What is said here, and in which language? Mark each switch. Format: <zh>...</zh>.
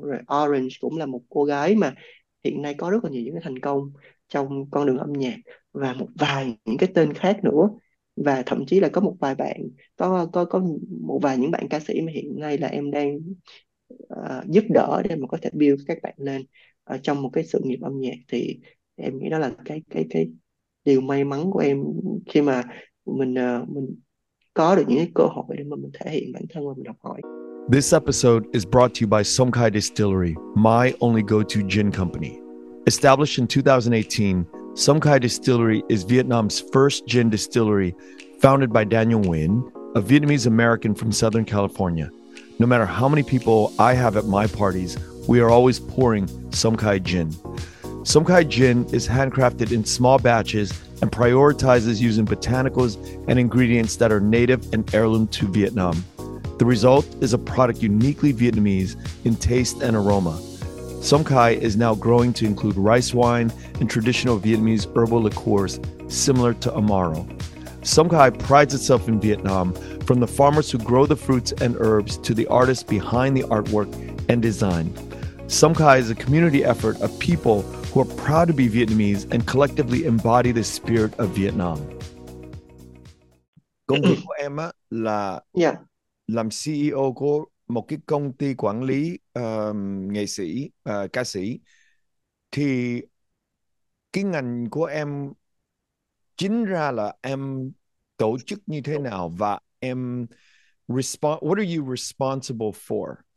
<vi>Rồi Orange cũng là một cô gái mà hiện nay có rất là nhiều những cái thành công trong con đường âm nhạc, và một vài những cái tên khác nữa, và thậm chí là có một vài bạn, có một vài những bạn ca sĩ mà hiện nay là em đang giúp đỡ để mà có thể build các bạn lên trong một cái sự nghiệp âm nhạc. Thì em nghĩ đó là cái điều may mắn của em khi mà mình có được những cái cơ hội để mà mình thể hiện bản thân và mình học hỏi.</vi> <en>This episode is brought to you by Songkhai Distillery, my only go-to gin company. Established in 2018, Songkhai Distillery is Vietnam's first gin distillery, founded by Daniel Nguyen, a Vietnamese American from Southern California. No matter how many people I have at my parties, we are always pouring Songkhai gin. Songkhai gin is handcrafted in small batches and prioritizes using botanicals and ingredients that are native and heirloom to Vietnam. The result is a product uniquely Vietnamese in taste and aroma. Songkhai is now growing to include rice wine and traditional Vietnamese herbal liqueurs similar to Amaro. Songkhai prides itself in Vietnam, from the farmers who grow the fruits and herbs to the artists behind the artwork and design. Songkhai is a community effort of people who are proud to be Vietnamese and collectively embody the spirit of Vietnam.</en> <vi>Công việc của em á là làm CEO của một cái công ty quản lý nghệ sĩ, ca sĩ. Thì cái ngành của em chính ra là em tổ chức như thế nào và em</vi> <en>what are you responsible for?</en>